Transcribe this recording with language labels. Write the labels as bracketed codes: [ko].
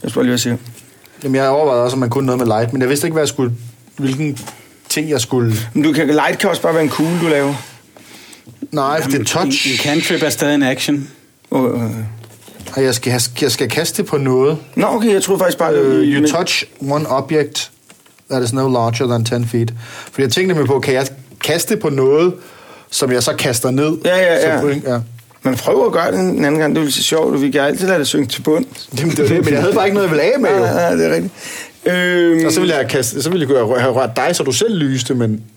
[da] Jeg spørger lige, hvad jeg siger. Jamen, jeg overvejede også, at man kunne noget med light, men jeg vidste ikke, hvad jeg skulle, hvilken ting jeg skulle... Men du kan, light kan også bare være en kugle, du laver. Nej, jamen, det er touch. En cantrip er stadig en action. Og jeg skal kaste det på noget. Nå, okay, jeg troede faktisk bare... [en] You touch one object that is no larger than 10 feet. [da] Fordi jeg tænkte mig på, kan jeg kaste på noget, som jeg så kaster ned? Ja. Man prøver at gøre det en anden gang, det ville se sjovt, og vi kan altid lade det synge til bund. Jamen, det var det, men jeg havde bare ikke noget, jeg ville af med. Nej, det er rigtigt. Og så ville jeg kaste, så ville jeg have rørt dig, så du selv lyste, men...